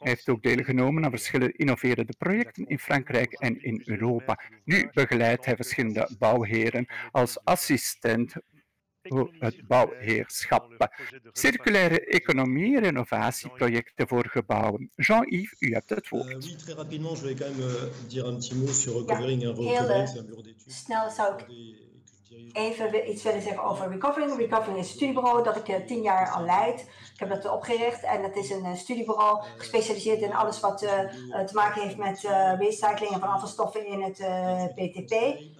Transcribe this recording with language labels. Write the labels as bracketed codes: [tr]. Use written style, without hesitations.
[nl] Hij heeft ook deelgenomen aan verschillende innoverende projecten in Frankrijk en in Europa. Nu begeleidt hij verschillende bouwheren als assistent voor het bouwheerschap. Circulaire economie, renovatieprojecten voor gebouwen. Jean-Yves, u hebt het woord. [fr] Oui, très rapidement, je vais quand même dire un petit mot sur Recovering and Recovering. [nl] Snel zou ik even iets verder zeggen over Recovering. Recovering is een studiebureau dat ik 10 jaar al leid. Ik heb dat opgericht en dat is een studiebureau gespecialiseerd in alles wat te maken heeft met recycling van afvalstoffen in het PTP.